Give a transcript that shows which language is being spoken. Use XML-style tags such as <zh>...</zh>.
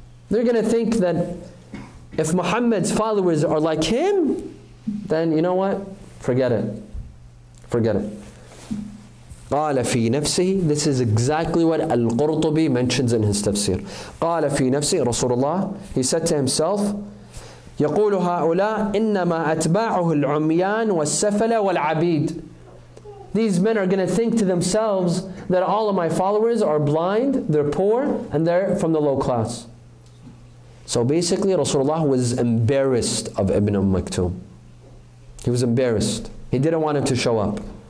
<en>They're going to think that if Muhammad's followers are like him, then you know what? Forget it. Forget it.</en> <ar>قال في نفسه.</ar> <en>This is exactly what Al-Qurtubi mentions in his tafsir.</en> <ar>قال في نفسه Rasulullah.</ar> <en>He said to himself,</en> <ar>يقول هؤلاء إنما أتباعه العميان والسفلة والعبيد.</ar> <en>These men are going to think to themselves that all of my followers are blind, they're poor, and they're from the low class. So basically, Rasulullah was embarrassed of Ibn Maktum. He was embarrassed. He didn't want him to show up.</en>